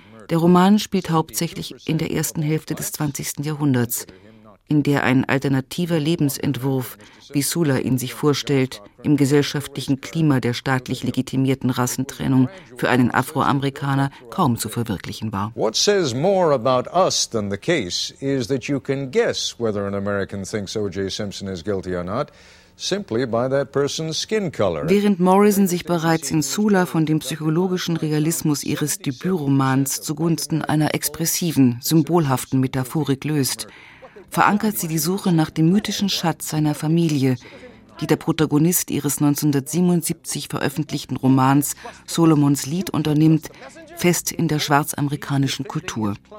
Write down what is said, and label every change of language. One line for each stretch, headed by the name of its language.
German: Der Roman spielt hauptsächlich in der ersten Hälfte des 20. Jahrhunderts, in der ein alternativer Lebensentwurf, wie Sula ihn sich vorstellt, im gesellschaftlichen Klima der staatlich legitimierten Rassentrennung für einen Afroamerikaner kaum zu verwirklichen war.
English: What says more about us than the case is that you can guess whether an American thinks O.J. Simpson is guilty or not. Simply by that person's skin color.
German: Während Morrison sich bereits in Sula von dem psychologischen Realismus ihres Debütromans zugunsten einer expressiven, symbolhaften Metaphorik löst, verankert sie die Suche nach dem mythischen Schatz seiner Familie, die der Protagonist ihres 1977 veröffentlichten Romans Solomons Lied unternimmt, fest in der schwarzamerikanischen Kultur.